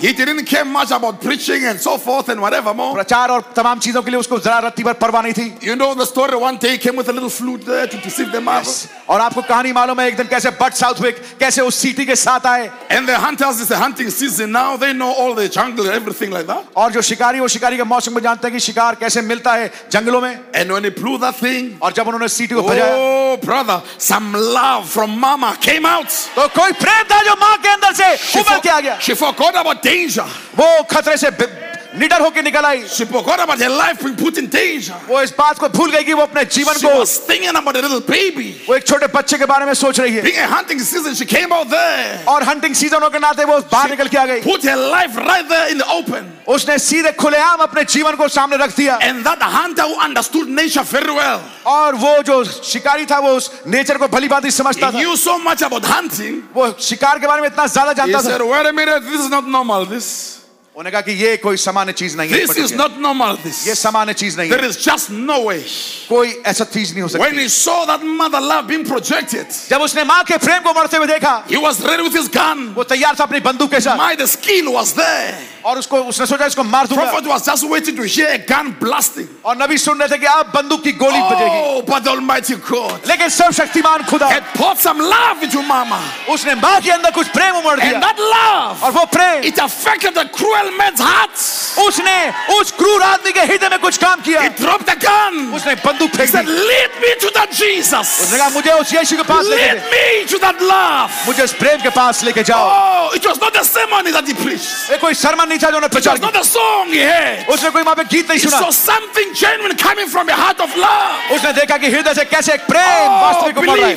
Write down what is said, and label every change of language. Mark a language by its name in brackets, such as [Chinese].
[English] He didn't care much about preaching and so forth and whatever more. [Hindi] प्रचार और तमाम चीजों के लिए उसको जरा रत्ती भर परवाह नहीं थी. [English] You know the story, one day he came with a little flute there to deceive the marbles. [Hindi] और आपको कहानी मालूम है एक दिन कैसे बट साउथविक कैसे उस सिटी के साथ आए. [English] And the hunters, it's a hunting season now, they know all the jungle and everything like that. [Hindi] और जो शिकारी वो शिकारी के मौसम में जानते हैं कि शिकार कैसे मिलता है जंगलों में. [English] And when he blew that thing, [Hindi] और जब उन्होंने सिटी को बजाया, [English] oh brother, some love from mama came out. [Hindi] तो कोई प्रेम था जो माँ के अंदर से उभर के आ गया. [English] She forgot about danger. [Hindi] वो खतरे से निडर होकर निकल आई. [English] She forgot about her life being put in danger. [Hindi] वो इस बात को भूल गई कि वो अपने जीवन [English] she She was thinking about a little baby. [Hindi] वो एक छोटे बच्चे के बारे में सोच रही है. [English] Being a hunting season, she came out there. [Hindi] और hunting season होकर नाते वो बाहर निकल के आ गई. [English] Put her life right there in the open. [Hindi] उसने सीधे खुलेआम अपने जीवन को सामने रख दिया. [English] And that hunter who understood nature very well. [Hindi] और वो जो शिकारी था वो उस नेचर को भलीभांति समझता था. [English] He knew so much about hunting. [Hindi] वो शिकार के बारे में इतना ज़्यादा जानता था. [English] He said, "Wait a minute, this is not normal. This." [Hindi] उन्होंने कहा कि ये कोई सामान्य चीज नहीं है. [English] This is not normal. This. [Hindi] ये सामान्य चीज नहीं है. [English] There is just no way. [Hindi] कोई ऐसा चीज नहीं हो सकती. [English] When he saw that mother love being projected, [Hindi] जब उसने माँ के प्रेम को मरते हुए देखा, [English] he was ready with his gun. [Hindi] वो तैयार था अपनी बंदूक के साथ. [English] My the skill was there. [Hindi] और उसको उसने सोचा इसको मार दूंगा. [English] Prophet was just waiting to hear a gun blasting. [Hindi] और नबी सुन रहे थे कि अब बंदूक की गोली बजेगी. [English] Oh, but the Almighty God. [Hindi] लेकिन सर्वशक्तिमान खुदा. [English] Had poured some love into mama. [Hindi] उसने माँ के अंदर कुछ प्रेम उमड़ दिया. [English] And that love. [Hindi] और वो प्रेम. [English] It affected the cruel man's heart. [Hindi] उसने उस क्रूर आदमी के हृदय में कुछ काम किया. [English] He dropped the gun. [Hindi] उसने बंदूक फेंक दी. [English] Lead me to that Jesus. [Hindi] उसने कहा मुझे उस यीशु के पास ले जाओ. [English] Lead me to that love. [Hindi] मुझे उस प्रेम के पास लेके जाओ. [English] Oh, it was not the sermon that he preached. [Hindi] कोई सरमन नहीं था जो उन्होंने प्रचार किया. [English] It was not the song he heard. [Hindi] उसने कोई वहाँ पे गीत नहीं सुना. [English] He saw something genuine coming from the heart of love. [Hindi] उसने देखा कि हृदय से कैसे एक प्रेम वास्तविक उमड़ रहा है.